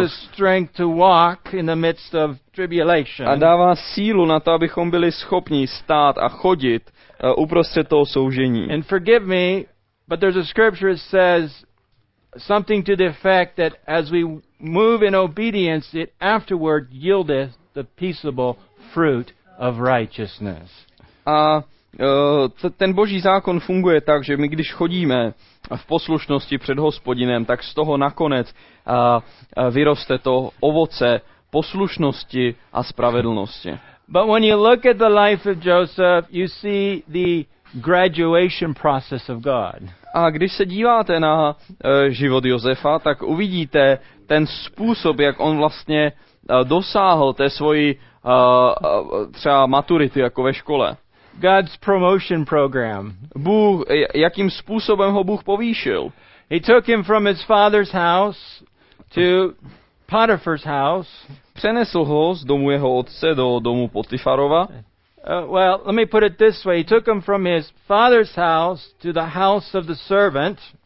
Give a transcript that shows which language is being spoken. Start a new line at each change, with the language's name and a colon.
English: He gives the strength to walk in the midst of tribulation.
Czech: A dává sílu na to, abychom byli schopni stát a chodit uprostřed toho soužení.
English: And forgive me, but there's a scripture that says something to the effect that as we move in obedience, it afterward yieldeth the peaceable fruit of righteousness.
Czech: A ten Boží zákon funguje tak, že my když chodíme v poslušnosti před Hospodinem, tak z toho nakonec vyroste to ovoce poslušnosti a spravedlnosti.
English: But when you look at the life of Joseph, you see the graduation process of God.
Czech: A když se díváte na život Josefa, tak uvidíte ten způsob, jak on vlastně dosáhl té svojí třeba maturity jako ve škole.
English: God's promotion program.
Czech: Bůh, jakým způsobem ho Bůh povýšil?
English: He took him from his father's house to Potiphar's house.
Czech: Přenesl ho z domu jeho otce do domu Potifarova.
English: Well, let me put it this way. He took him from his father's house to the house of the servant.